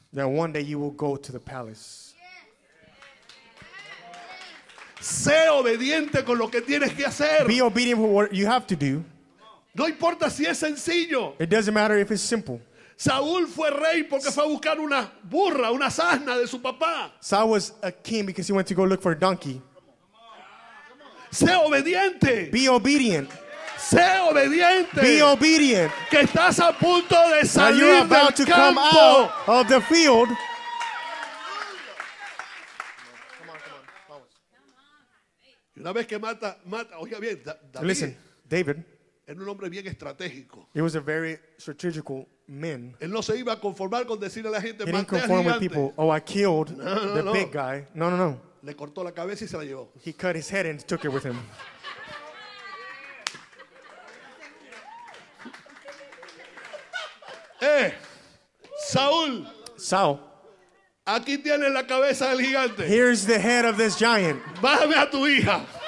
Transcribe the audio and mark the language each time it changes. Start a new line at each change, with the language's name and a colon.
English: That one day you will go to the palace.
Spanish: Sé obediente con lo que tienes que hacer.
English: Be obedient with what you have to do.
Spanish: No importa si es sencillo.
English: It doesn't matter if it's simple.
Spanish: Saúl fue rey porque fue a buscar una burra, una asna de su papá.
English: Saul was a king because he went to go look for a donkey.
Spanish: Sé obediente.
English: Be obedient.
Spanish: Sé obediente.
English: Be obedient.
Spanish: Que estás a punto de salir
English: you're about
Spanish: del
English: to
Spanish: campo.
English: Come out of the field.
Spanish: Una vez que mata, oiga bien, David.
English: Listen, David.
Spanish: Era un hombre bien estratégico.
English: He was a very strategical man.
Spanish: Él no se iba a conformar con decirle a la gente,
English: he didn't conform with people. Oh, I killed the big guy. No, no, no.
Spanish: Le cortó la cabeza y se la llevó.
English: He cut his head and took it with him. Saul. Saul.
Spanish: Aquí tienes la cabeza del gigante.
English: Here's the head of this giant.
Spanish: Bájame a tu hija.